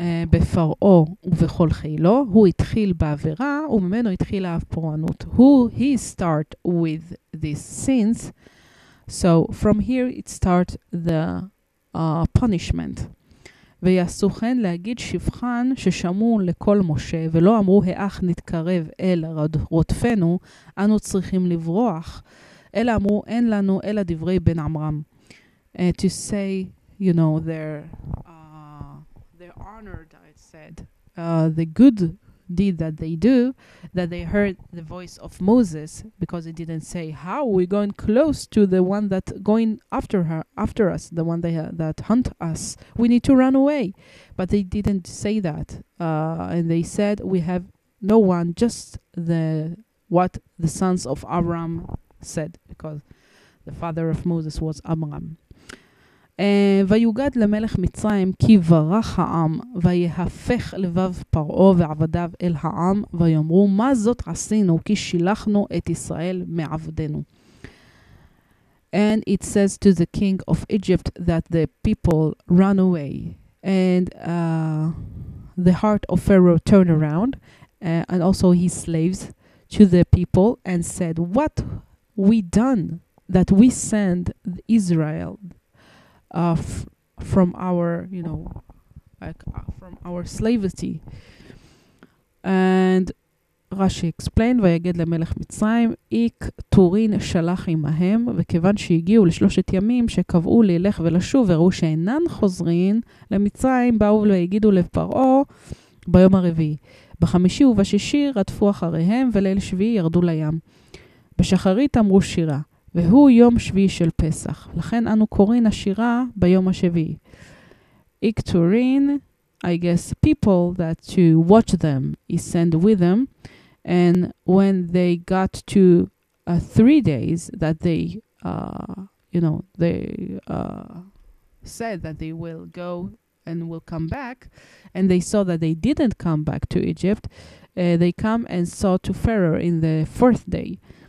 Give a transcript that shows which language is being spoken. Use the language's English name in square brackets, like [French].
[Hebrew] בפרעו ובכל חילו, הוא התחיל בעבירה וממנו התחילה הפורענות. [English] He start with these sins, so from here it start the punishment. [Hebrew] ויעשו כן להגיד שבחן ששמעו לכל משה ולא אמרו האח נתקרב אל רודפנו, אנו צריכים לברוח, אלא אמרו אין לנו אלא דברי בן עמרם. [English] To say, you know, their honor, I said, the good deed that they do, that they heard the voice of Moses, because it didn't say how we going close to the one that going after her, after us, the one that hunt us, we need to run away. But they didn't say that, and they said we have no one, just what the sons of Abraham said, because the father of Moses was Abraham. [Hebrew] ויוגד למלך מצרים כי ברח העם ויהפך לבב פרעו ועבדיו אל העם ויאמרו מה זאת עשינו כי שילחנו את ישראל מעבדנו. [English] And it says to the king of Egypt that the people run away, and the heart of Pharaoh turned around, and also his slaves to the people, and said, what we done that we send Israel from our, you know, like from our slavery. And Rashi explained, [Hebrew] ויגד למלך מצרים, איק תורין שלח עמהם, וכיוון שהגיעו לשלושת ימים שקבעו ללך ולשוב, וראו שאינן חוזרים למצרים, באו והגידו לפרעו ביום הרביעי. בחמישי ובשישי רדפו אחריהם, וליל שביעי ירדו לים. בשחרית אמרו שירה, והוא יום שביעי של פסח. לכן אנו קוראים השירה ביום השביעי. [English] Ikturin, I guess people that to watch them, he sent with them, and when they got to 3 days that they, you know, they said that they will go and will come back, and they saw that they didn't come back to Egypt, they come and saw to Pharaoh in the fourth day,